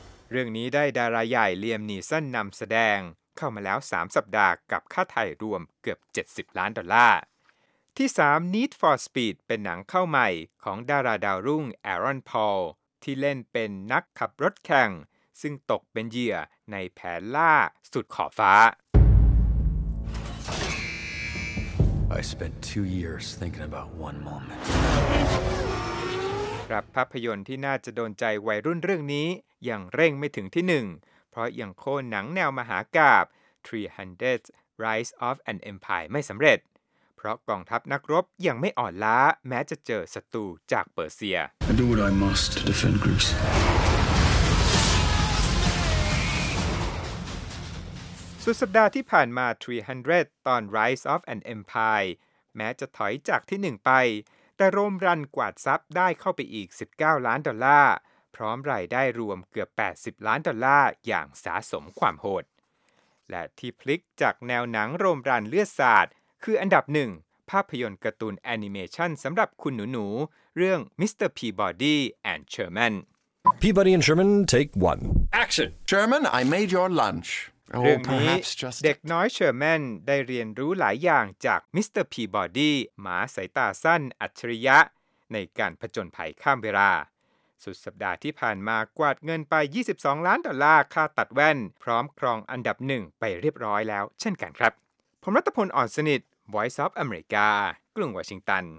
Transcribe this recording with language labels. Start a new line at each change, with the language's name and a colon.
Thai: เรื่องนี้ได้ดาราใหญ่เลียมนีสันนำแสดงเข้ามาแล้ว3สัปดาห์กับค่าไทยรวมเกือบ70ล้านดอลลาร์ที่3 Need for Speed เป็นหนังเข้าใหม่ของดาราดาวรุ่งแอรอนพอลที่เล่นเป็นนักขับรถแข่งซึ่งตกเป็นเหยื่อในแผนล่าสุดขอบฟ้า
English: I spent 2 years thinking about one moment
Thai: ครับภาพยนตร์ที่น่าจะโดนใจวัยรุ่นเรื่องนี้ยังเร่งไม่ถึงที่1เพราะยังโค่นหนังแนวมหากาพย์ 300 Rise of an Empire ไม่สำเร็จเพราะกองทัพนักรบยังไม่อ่อนล้าแม้จะเจอศัตรูจากเปอร์เซีย
English: I do what I must to defend Greece.
Thai: สุดสัปดาห์ที่ผ่านมา300ตอน Rise of an Empire แม้จะถอยจากที่1ไปแต่โรมรันกวาดทรัพย์ได้เข้าไปอีก19ล้านดอลลาร์พร้อมรายได้รวมเกือบ80ล้านดอลลาร์อย่างสะสมความโหดและที่พลิกจากแนวหนังโรมรันเลือดสาดคืออันดับ1ภาพยนตร์การ์ตูนแอนิเมชันสำหรับคุณหนูๆเรื่อง Mr.
English: Peabody and Sherman Peabody and Sherman take 1 Action Sherman I made your lunch
Thai: เรื่องนี้เด็กน้อยเชอร์แมนได้เรียนรู้หลายอย่างจาก Mr. Peabody หมาสายตาสั้นอัจฉริยะในการผจญภัยข้ามเวลาสุดสัปดาห์ที่ผ่านมากวาดเงินไป22ล้านดอลลาร์ค่าตัดแว่นพร้อมครองอันดับ1ไปเรียบร้อยแล้วเช่นกันครับผมรัตพลอ่อนสนิท Voice of America กรุงวอชิงตัน